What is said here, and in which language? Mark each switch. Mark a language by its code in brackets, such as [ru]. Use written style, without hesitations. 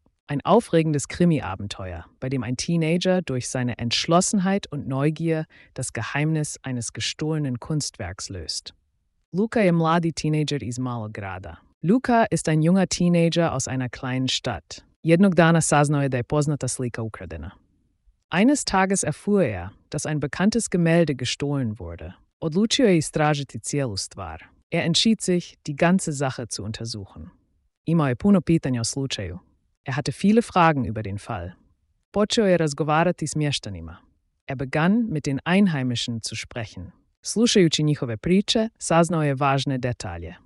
[de] Ein aufregendes Krimi-Abenteuer, bei dem ein Teenager durch seine Entschlossenheit und Neugier das Geheimnis eines gestohlenen Kunstwerks löst. [hr] Luka je mladi Teenager iz Malog Grada. [de] Luka ist ein junger Teenager aus einer kleinen Stadt. [hr] Jednog dana saznao je da je poznata slika ukradena. [de] Eines Tages erfuhr er, dass ein bekanntes Gemälde gestohlen wurde. [hr] Odlučio je istražiti cijelu stvar. [de] Er entschied sich, die ganze Sache zu untersuchen. [hr] Imao je puno pitanja o slučaju. [de] Er hatte viele Fragen über den Fall. [hr] Počeo je razgovarati s mještanima. [de] Er begann, mit den Einheimischen zu sprechen. [hr] Slušajući njihove priče, saznao je važne detalje.